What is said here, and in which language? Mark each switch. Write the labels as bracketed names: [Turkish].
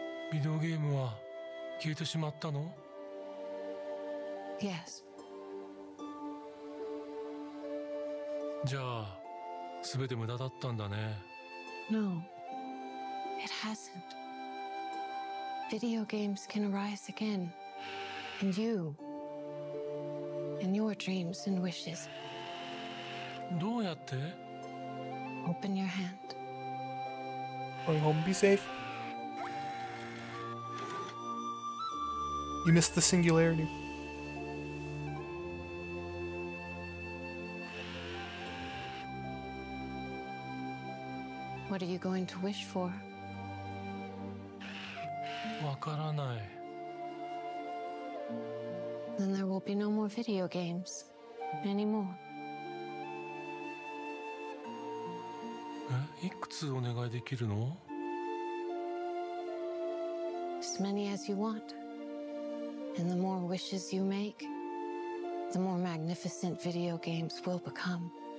[Japanese] ビデオゲームは消えてしまったの? [English] Yes. [Japanese] じゃあ、すべて無駄だったんだね。 [English] No. It hasn't. Video games can arise again, and you, and your dreams and wishes. [Japanese] どうやって? [English] Open your hand. Going home, be safe. You missed the singularity. What are you going to wish for? [Japanese] わからない。 [English] Then there will be no more video games anymore. [Japanese] え、いくつお願いできるの? [English] As many as you want. And the more wishes you make, the more magnificent video games will become.